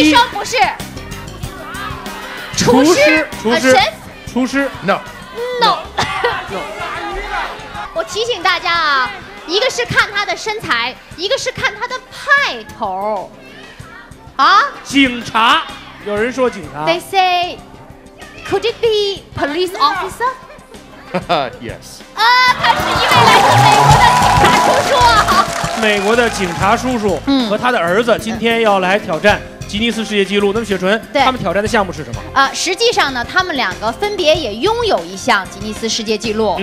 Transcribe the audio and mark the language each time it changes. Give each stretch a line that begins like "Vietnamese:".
Chinese: 医生不是。厨师
English: chef？
Chinese: 厨师
English: No
Chinese: 我提醒大家啊，一个是看他的身材，一个是看他的派头啊。警察？有人说警察。
English: They say Could it be police officer？ Yes。
Chinese: 啊，他是一位来自美国的警察叔叔啊。美国的警察叔叔和他的儿子今天要来挑战吉尼斯世界纪录。那么雪纯，他们挑战的项目是什么？实际上呢，他们两个分别也拥有一项吉尼斯世界纪录，